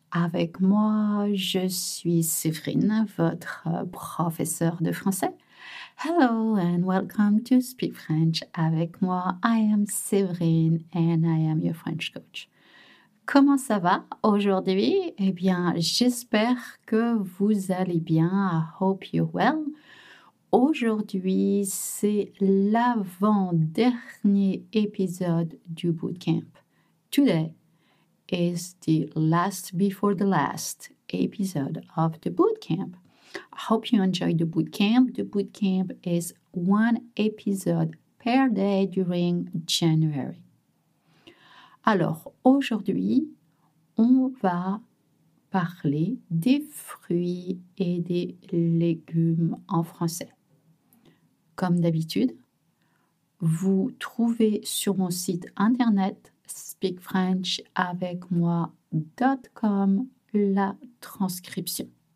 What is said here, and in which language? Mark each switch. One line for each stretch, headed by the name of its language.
French: Avec moi, je suis Séverine, votre professeure de français.
English: Hello and welcome to Speak French.
French: Avec moi,
English: I am Séverine and I am your French coach.
French: Comment ça va aujourd'hui? Eh bien, j'espère que vous allez bien.
English: I hope you're well.
French: Aujourd'hui, c'est l'avant-dernier épisode du bootcamp.
English: Today is the last before the last episode of the bootcamp. I hope you enjoy the bootcamp. The bootcamp is one episode per day during January.
French: Alors, aujourd'hui, on va parler des fruits et des légumes en français. Comme d'habitude, vous trouvez sur mon site internet speakfrenchavecmoi.com la transcription.